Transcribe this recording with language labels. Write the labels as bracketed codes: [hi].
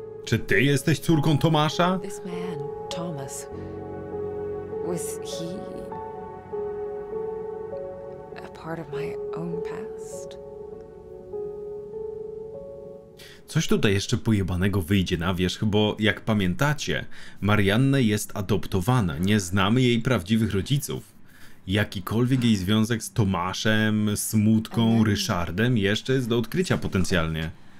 [pl] Czy ty jesteś córką Tomasza? [en] This man, Thomas, was he part of my own past? [pl] Coś tutaj jeszcze pojebanego wyjdzie na wierzch, bo jak pamiętacie, Marianna jest adoptowana, nie znamy jej prawdziwych rodziców. Jakikolwiek jej związek z Tomaszem, Smutką, Ryszardem jeszcze jest do odkrycia potencjalnie.